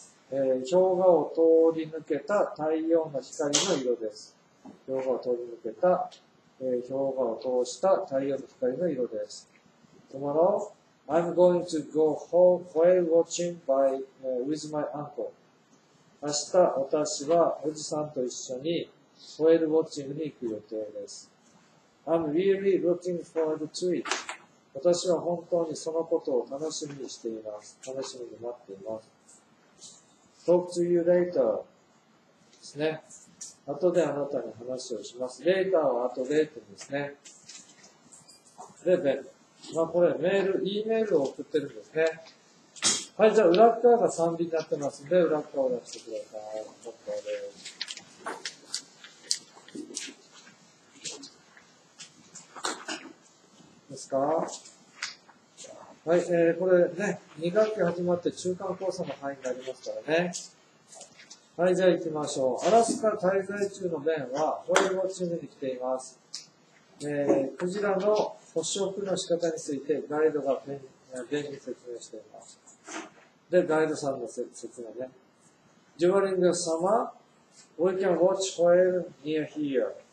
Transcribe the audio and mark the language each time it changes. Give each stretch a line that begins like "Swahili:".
Japanese: 氷河を通り抜けた太陽の光の色です。氷河を通り抜けた、氷河を通した太陽の光の色です。
English: Tomorrow, I'm going to go home whale watching with my uncle.
Japanese: 明日、私はおじさんと一緒にホエールウォッチングに行く予定です。
English: I'm really looking forward to it.
Japanese: 私は本当にそのことを楽しみにしています。楽しみに待っています。
English: Talk to you later ですね。
Japanese: 後であなたに話をします。Later は後でってですね。で、ベン。まあこれ、メール、E メールを送ってるんですね。はい、じゃあ裏側が3尾になってますんで、裏側を出してください。ちょっとね。ですか？はい、これね、2学期始まって中間コースの範囲になりますからね。はい、じゃあ行きましょう。アラスカ滞在中のベンは、ホエールウォッチングに来ています。クジラの捕食の仕方についてガイドが便利説明しています。で、ガイドさんの説明ね。
English: During the summer, we can watch whale near here.